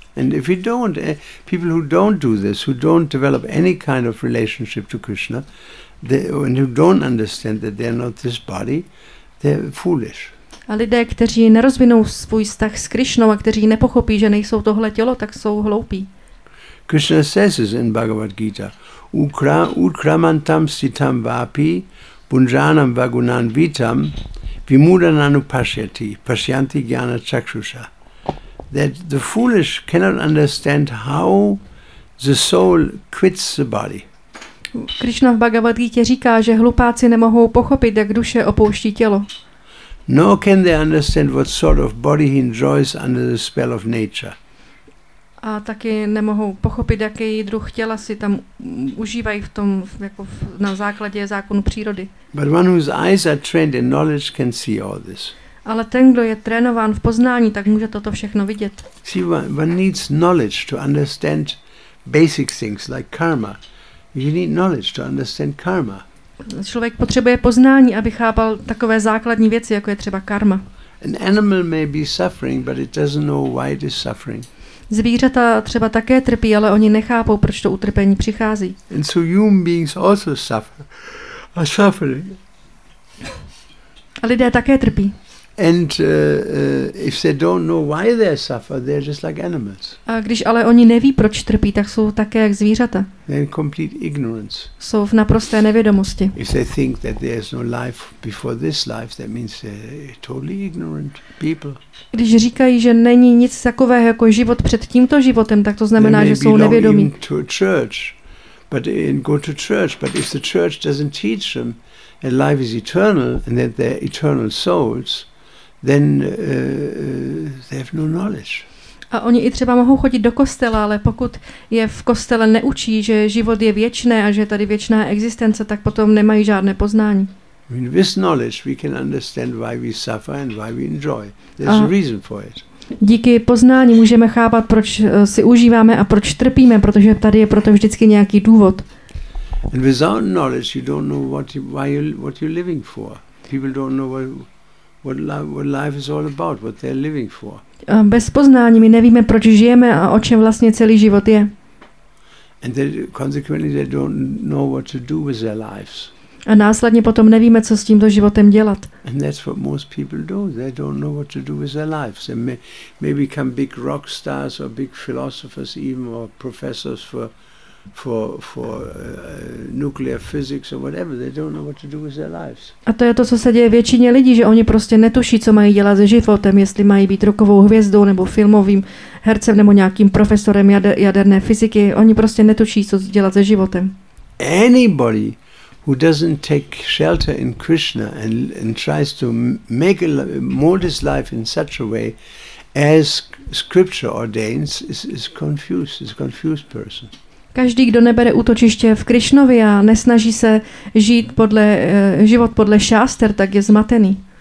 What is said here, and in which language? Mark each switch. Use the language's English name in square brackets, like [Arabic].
[English] And if we don't, people who don't do this, who don't develop any kind of relationship to Krishna, and who don't understand that they are not this body, they're foolish. [Czech] A lidé, kteří nerozvinou svůj vztah s Krišnou a kteří nepochopí, že nejsou tohle tělo, tak jsou hloupí. [English] Krishna says this in Bhagavad Gita, [Sanskrit] Ukramantam sitam vapi, punjanam vagunan vitam, vimudananu pasyati, pasyanti jnana chakshusha. [English] That the foolish cannot understand how the soul quits the body. [Czech] Krishna v Bhagavad Gita říká, že hlupáci nemohou pochopit, jak duše opouští tělo. [English] Nor can they understand what sort of body he enjoys under the spell of nature. [Czech] A taky nemohou pochopit, jaký druh těla si tam užívají v tom jako na základě zákonu přírody. [English] But one whose eyes are trained in knowledge can see all this. [Czech] Ale ten, kdo je trénován v poznání, tak může toto všechno vidět. [English] See, one needs knowledge to understand basic things like karma. You need knowledge to understand karma. [Czech] Člověk potřebuje poznání, aby chápal takové základní věci, jako je třeba karma. [English] An animal may be suffering, but it doesn't know why it is suffering. [Czech] Zvířata třeba také trpí, ale oni nechápou, proč to utrpení přichází. [English] And so human beings also suffer. Are suffering. [Czech] A lidé také trpí. [English] And if they don't know why they suffer, they're just like animals. [Czech] A když ale oni neví, proč trpí, tak jsou také jak zvířata. [English] They're in complete ignorance. [Czech] Jsou v naprosté nevědomosti. [English] If they think that there's no life before this life, that means they're totally ignorant people. [Czech] Když říkají, že není nic takového jako život před tímto životem, tak to znamená, že jsou nevědomí. [English] They may belong to a church, but go to church. But if the church doesn't teach them that life is eternal and that they're eternal souls, then they have no knowledge. [Czech] A oni i třeba mohou chodit do kostela, ale pokud je v kostele neučí, že život je věčné a že tady věčná existence, tak potom nemají žádné poznání. [English] With this knowledge we can understand why we suffer and why we enjoy. There's a reason for it. [Czech] Díky poznání můžeme chápat, proč si užíváme a proč trpíme, protože tady je proto vždycky nějaký důvod. [English] And without knowledge you don't know what you're living for. People don't know what life is all about, what they're living for. [Czech] Bez poznání my nevíme, proč žijeme a o čem vlastně celý život je. [English] And they, consequently they don't know what to do with their lives. [Czech] A následně potom nevíme, co s tímto životem dělat. [English] And that's what most people do. They don't know what to do with their lives. They may become big rock stars or big philosophers even or professors for nuclear physics or whatever. They don't know what to do with their lives. [Czech] A to je to, co se děje většině lidí, že oni prostě netuší, co mají dělat se životem, jestli mají být rockovou hvězdou nebo filmovým hercem nebo nějakým profesorem jaderné fyziky. Oni prostě netuší, co dělat se životem. [English] Anybody who doesn't take shelter in Krishna and tries to make mold his life in such a way as scripture ordains is a confused person. [Czech] Každý, kdo nebere útočiště v Krišnovi a nesnaží se žít podle život podle šáster, tak je zmatený.